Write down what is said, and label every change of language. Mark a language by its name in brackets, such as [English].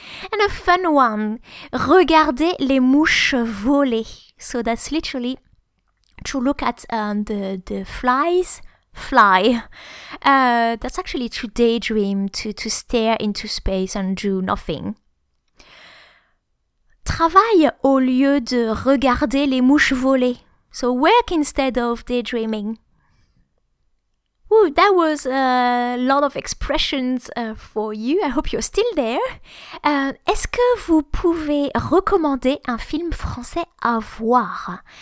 [English] And a fun one, [French] regarder les mouches voler. [English] So that's literally to look at the flies fly. That's actually to daydream, to stare into space and do nothing. [French] Travaille au lieu de regarder les mouches voler. [English] So work instead of daydreaming. Ooh, that was a lot of expressions for you. I hope you're still there. [French] Est-ce que vous pouvez recommander un film français à voir?